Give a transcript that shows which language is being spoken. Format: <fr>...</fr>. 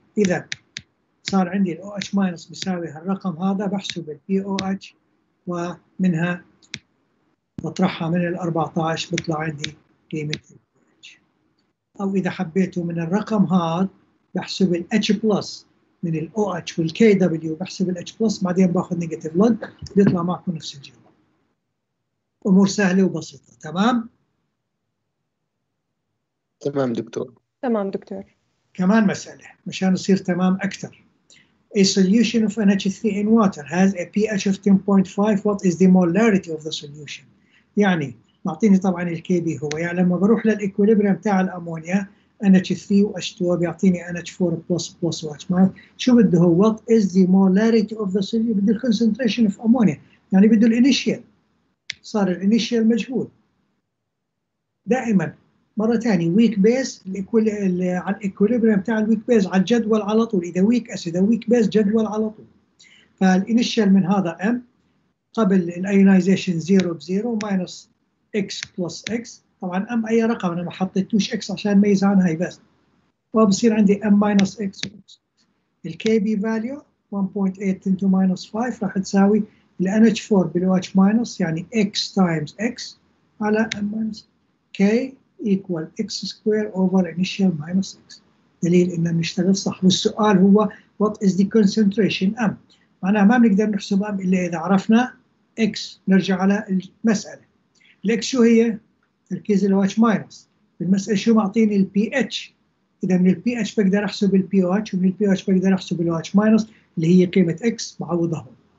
<ar>إذا صار عندي ال OH minus بيساوي هالرقم هذا بحسب ال pOH ومنها بطرحها من ال 14 بطلع عندي قيمة أو إذا حبيته من الرقم هذا بحسب الـ H plus من الـ OH والـ KW بحسب الـ H plus بعدين بأخذ نيجاتيف لوج بيطلع معكم نفس الجواب. أمور سهلة وبسيطة. تمام؟ تمام دكتور. تمام دكتور. كمان مسألة مشان نصير تمام أكثر.</ar> <en>A solution of NH3 in water has a pH of 10.5. What is the molarity of the solution?</en> <ar>يعني معطيني طبعا الكي بي هو يعني لما بروح للإكوليبريم تاع الأمونيا NH3 وH2O بيعطيني NH4 بلس بلس وH ماينس. شو بده هو؟</ar> <en>What is the molarity of the solution؟</en> <ar>بده الكونسنتريشن اوف أمونيا يعني بده الانيشيال. صار الانيشيال مجهول دائما. مرة ثانية ويك بيز على الإكوليبريم تاع الويك بيز على الجدول على طول. إذا ويك أسيد ويك بيز جدول على طول. فالانيشيال من هذا M قبل الأيونيزيشن 0 ب 0 ماينس X plus X. طبعا M أي رقم أنا ما حطيتوش X عشان ميز عن هاي بس. وبصير عندي M minus X. الKB value 1.8 × 10⁵ راح تساوي الـ NH4 بالـ OH minus يعني</ar> <en>X times X على M minus K equal X square over initial minus X.</en> <ar>دليل إننا نشتغل صح. والسؤال هو</ar> <en>what is the concentration M؟</en> <ar>معناها ما بنقدر نحسب M إلا إذا عرفنا X. نرجع على المسألة. لك شو هي؟ تركيز الـ OH minus. بالمسألة شو معطيني الـ pH؟ إذا من الـ pH بقدر أحسب الـ pOH ومن الـ pOH بقدر أحسب الـ OH minus اللي هي قيمة X معوضهم.</ar>